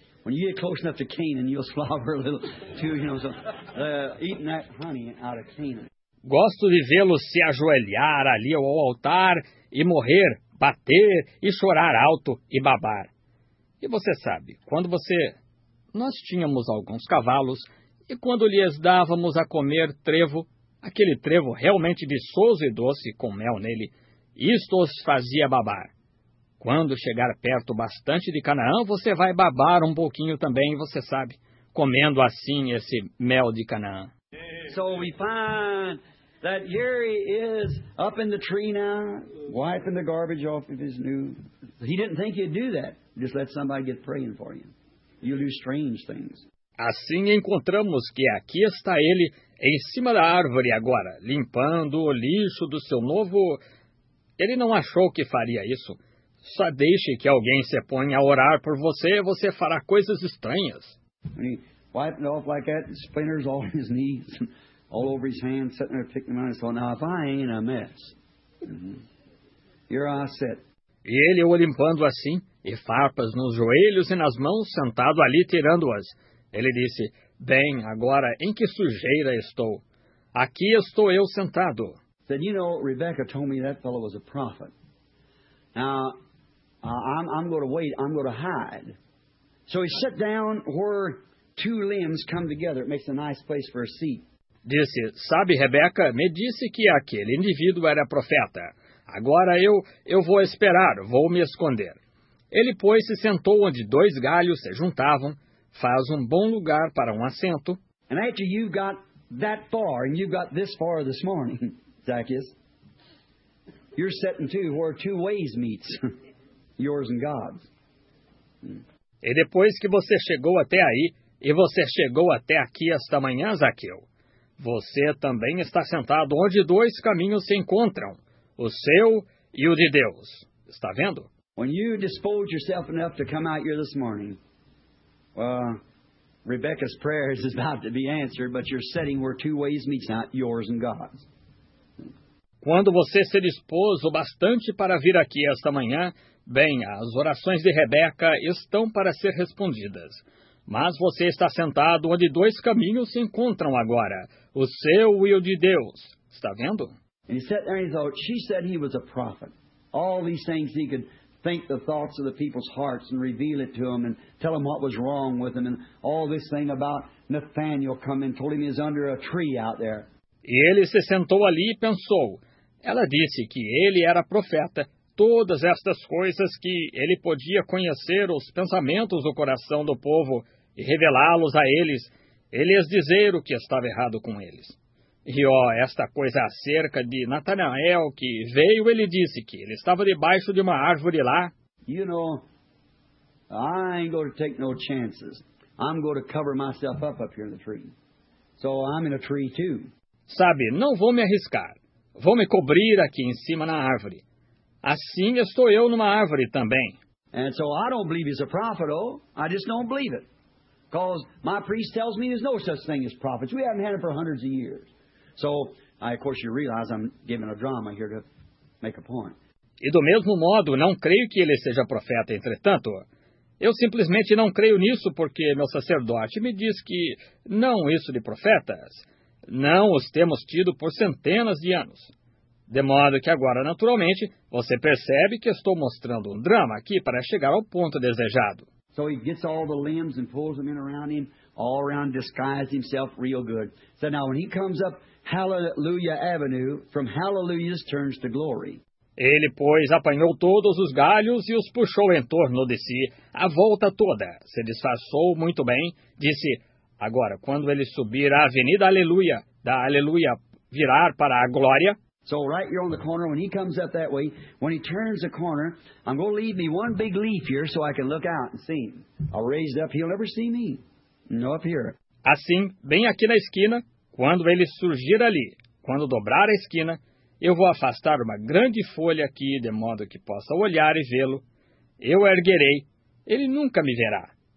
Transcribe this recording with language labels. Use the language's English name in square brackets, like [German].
[English] When you get close enough to Canaan, you'll slobber a little too, you know, so eating that honey out of Canaan. [Portuguese] Gosto de vê-lo se ajoelhar ali ao altar e morrer, bater e chorar alto e babar. E você sabe, nós tínhamos alguns cavalos e quando lhes dávamos a comer trevo, aquele trevo realmente viçoso e doce com mel nele, isto os fazia babar. Quando chegar perto bastante de Canaã, você vai babar um pouquinho também, você sabe. comendo assim esse mel de Canaã. [English] So we find that here he is up in the tree now, wiping the garbage off of his new. He didn't think he'd do that. Just let somebody get praying for him. You do strange things. [Portuguese] Assim encontramos que aqui está ele em cima da árvore agora, limpando o lixo do seu novo. Ele não achou que faria isso. Só deixe que alguém se ponha a orar por você, você fará coisas estranhas. [English] He wiped off like that, splinters all his knees, all over his hands, sitting there picking them up. So now if I ain't a mess, here I sit. [Portuguese] E ele o limpando assim, e farpas nos joelhos e nas mãos, sentado ali tirando-as. Ele disse, bem, agora em que sujeira estou? Aqui estou eu sentado. [English] Said, you know, Rebecca told me that fellow was a prophet. Now, I'm going to wait, I'm going to hide. So he sat down where two limbs come together. It makes a nice place for a seat. [Portuguese] Disse, sabe, Rebecca, me disse que aquele indivíduo era profeta. Agora eu vou esperar, vou me esconder. Ele, pois, se sentou onde dois galhos se juntavam. Faz um bom lugar para um assento. [English] And after you got that far, and you got this far this morning, Zacchaeus, you're sitting too where two ways meets, yours and God's. [Portuguese] E depois que você chegou até aí, e você chegou até aqui esta manhã, Zaqueu, você também está sentado onde dois caminhos se encontram, o seu e o de Deus. Está vendo? [English] When you dispose yourself enough to come out here this morning, well, Rebecca's prayers is about to be answered, but you're sitting where two ways meet, not yours and God's. [Portuguese] Quando você se dispôs o bastante para vir aqui esta manhã, bem, as orações de Rebeca estão para ser respondidas. Mas você está sentado onde dois caminhos se encontram agora, o seu e o de Deus. Está vendo? [English] And he sat there and he thought, she said he was a prophet. All these things he could think the thoughts of the people's hearts and reveal it to them and tell them what was wrong with them. And all this thing about Nathaniel coming, told him he was under a tree out there. [Portuguese] E ele se sentou ali e pensou. Ela disse que ele era profeta. Todas estas coisas que ele podia conhecer os pensamentos do coração do povo e revelá-los a eles, ele lhes dizer o que estava errado com eles. E ó, esta coisa acerca de Natanael que veio, ele disse que ele estava debaixo de uma árvore lá. [English] You know, I ain't going to take no chances. I'm going to cover myself up here in the tree. So I'm in a tree too. [Portuguese] Sabe, não vou me arriscar. Vou me cobrir aqui em cima na árvore. Assim estou eu numa árvore também. [English] And so I don't believe he's a prophet, oh. I just don't believe it. Because my priest tells me there's no such thing as prophets. We haven't had it for hundreds of years. So, of course, you realize I'm giving a drama here to make a point. [Portuguese] E do mesmo modo, não creio que ele seja profeta, entretanto. Eu simplesmente não creio nisso porque meu sacerdote me diz que não isso de profetas. Não os temos tido por centenas de anos. De modo que agora, naturalmente, você percebe que estou mostrando um drama aqui para chegar ao ponto desejado. [English] So he gets all the limbs and pulls them in around him, all around, disguised himself real good. So now when he comes up Hallelujah Avenue, from Hallelujah turns to Glory. [Portuguese] Ele, pois, apanhou todos os galhos e os puxou em torno de si, a volta toda. Se disfarçou muito bem, disse... Agora, quando ele subir à Avenida Aleluia, da Aleluia virar para a Glória. [English] So right here on the corner, when he comes up that way, when he turns the corner, I'm going to leave me one big leaf here so I can look out and see him. I'll raise it up, he'll never see me. No, up here. [Portuguese] Assim, bem aqui na esquina, quando ele surgir ali, quando dobrar a esquina, eu vou afastar uma grande folha aqui, de modo que possa olhar e vê-lo. Eu erguerei, ele nunca me verá.